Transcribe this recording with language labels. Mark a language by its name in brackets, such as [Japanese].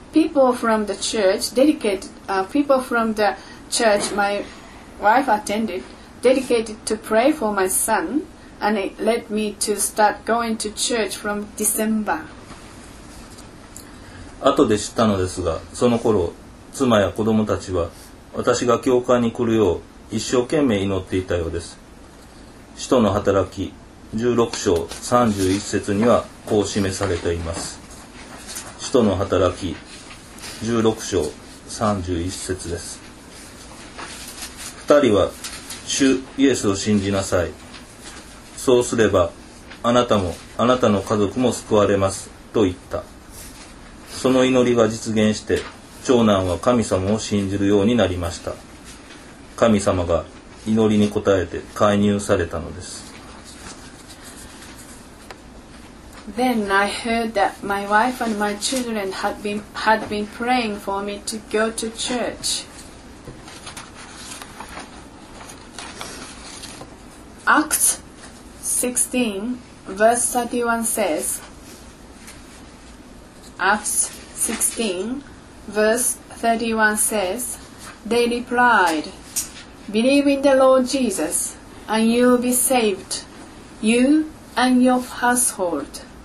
[English] People from the church my wife attended dedicated to pray for my son, and it led me to start going to church from December. [Japanese] 後で知ったのですが、その頃妻や子供たちは私が教会に来るよう一生懸命祈っていたようです。使徒の働き16章31節にはこう示されています。使徒の働き16章31節です。二人は主イエスを信じなさい、そうすればあなたもあなたの家族も救われますと言った。その祈りが実現して長男は神様を信じるようになりました。神様が祈りに応えて介入されたのです。 [English] Then I heard that my wife and my children had been praying for me to go to church. Acts 16 verse 31 says they replied, Believe in the Lord Jesus, and you'll be saved, you and your household.